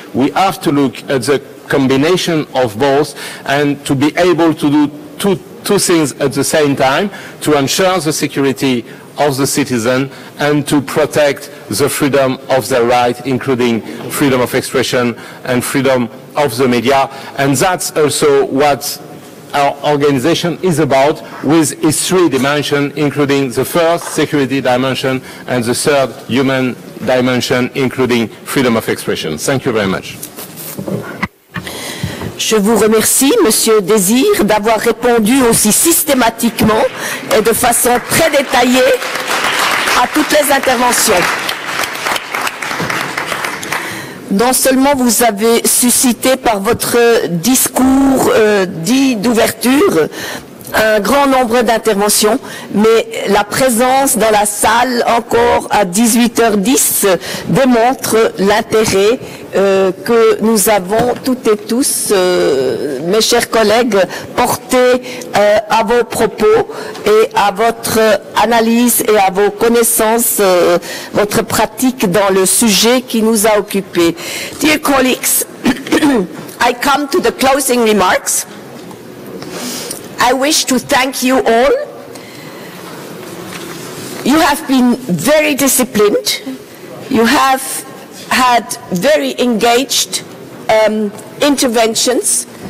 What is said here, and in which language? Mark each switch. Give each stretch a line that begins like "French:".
English: We have to look at the combination of both and to be able to do two things at the same time, to ensure the security of the citizen and to protect the freedom of their right, including freedom of expression and freedom of the media. And that's also what our organization is about, with its three dimensions, including the first, security dimension, and the third, human dimension, including freedom of expression. Thank you very much.
French: Je vous remercie, Monsieur Désir, d'avoir répondu aussi systématiquement et de façon très détaillée à toutes les interventions. Non seulement vous avez suscité par votre discours dit d'ouverture un grand nombre d'interventions, mais la présence dans la salle encore à 18h10 démontre l'intérêt que nous avons toutes et tous, mes chers collègues, porté à vos propos et à votre analyse et à vos connaissances, votre pratique dans le sujet qui nous a occupés.
English: Dear colleagues, I come to the closing remarks. I wish to thank you all. You have been very disciplined. You have had very engaged interventions.